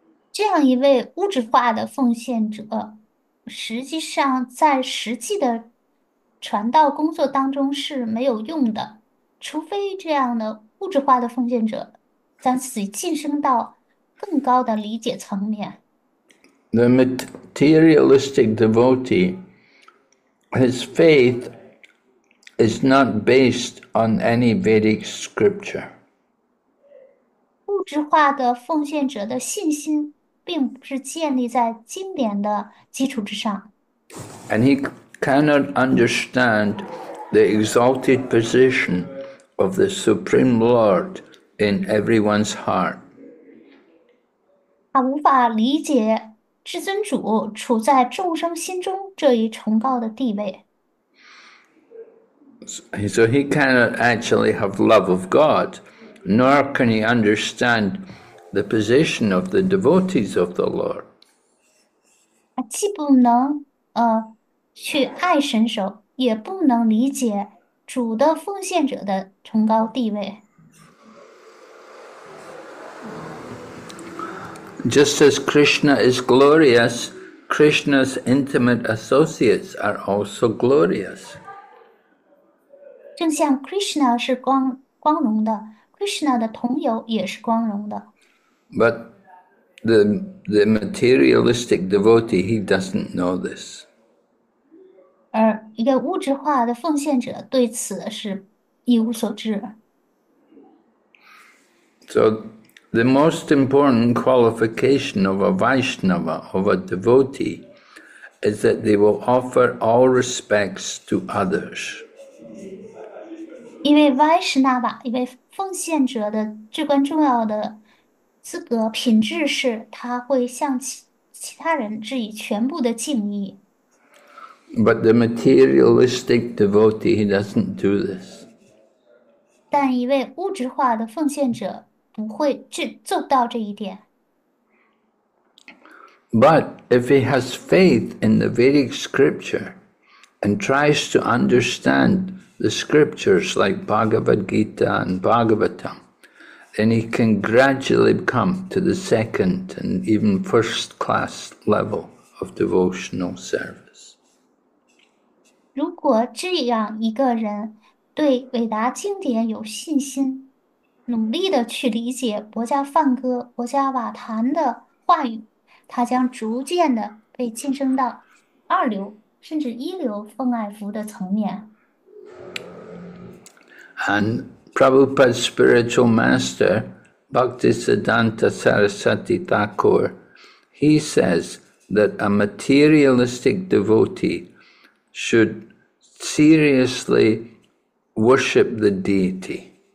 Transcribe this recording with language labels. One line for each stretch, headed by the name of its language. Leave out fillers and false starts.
Chinese: 这样一位物质化的奉献者，实际上在实际的传道工作当中是没有用的，除非这样的物质化的奉献者将自己晋升到更高的理解层面。
English: The materialistic devotee, his faith is not based on any Vedic scripture.
Chinese: 物质化的奉献者的信心，并不是建立在经典的基础之上。
English: And he cannot understand the exalted position of the Supreme Lord in everyone's heart.
Chinese: 他无法理解至尊主处在众生心中这一崇高的地位。
English: So he cannot actually have love of God, nor can he understand the position of the devotees of the Lord.
Chinese: 既不能去爱神手，也不能理解主的奉献者的崇高地位。
English: Just as Krishna is glorious, Krishna's intimate associates are also glorious.
Chinese: 正像 Krishna 是光荣的，Krishna 的同友也是光荣的。
English: But the materialistic devotee, he doesn't know this.
Chinese: 而一个物质化的奉献者对此是一无所知。
English: So the most important qualification of a Vaishnava, of a devotee, is that they will offer all respects to others.
Chinese: 一位 Vaishnava，一位奉献者的至关重要的资格品质是他会向其他人致以全部的敬意。
English: But the materialistic devotee, he doesn't do this.
Chinese: 但一位物质化的奉献者不会做到这一点。
English: But if he has faith in the Vedic scripture and tries to understand the scriptures like Bhagavad Gita and Bhagavatam, then he can gradually come to the second and even first class level of devotional service.
Chinese: 如果这样一个人对伟大经典有信心，努力的去理解博伽梵歌、博伽瓦昙的话语，他将逐渐的被晋升到二流甚至一流风爱服的层面。
English: And Prabhupada's spiritual master, Bhaktisiddhanta Sarasvati Thakur, he says that a materialistic devotee should seriously worship the deity.